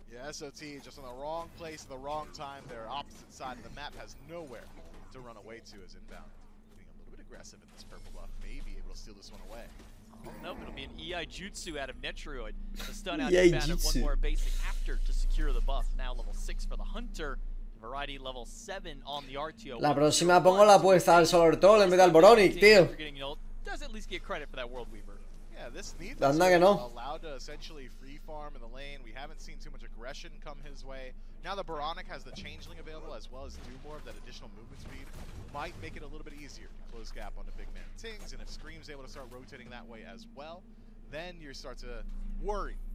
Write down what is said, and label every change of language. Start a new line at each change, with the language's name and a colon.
English: Yeah, SOT just in the wrong place at the wrong time. Their opposite side of the map has nowhere to run away to as inbound. Being a little bit aggressive in this purple buff, maybe able to steal this one away. Nope, it'll be an EI Jutsu out of Netroid. The stun out of one more basic after to secure the buff. Now level 6 for the Hunter. Variety level 7 on the RTO.
Spanish: La próxima pongo la apuesta al Solar Troll en vez del Boronic, tío.
English: Does at least get credit for that World Weaver. Yeah, this Neath is allowed to essentially free farm in the lane. We haven't seen too much aggression come his way. Now the Baronic has the Changeling available, as well as do more of that additional movement speed. Might make it a little bit easier to close gap on the Big Man Tings. And if Scream's able to start rotating that way as well, then you start to worry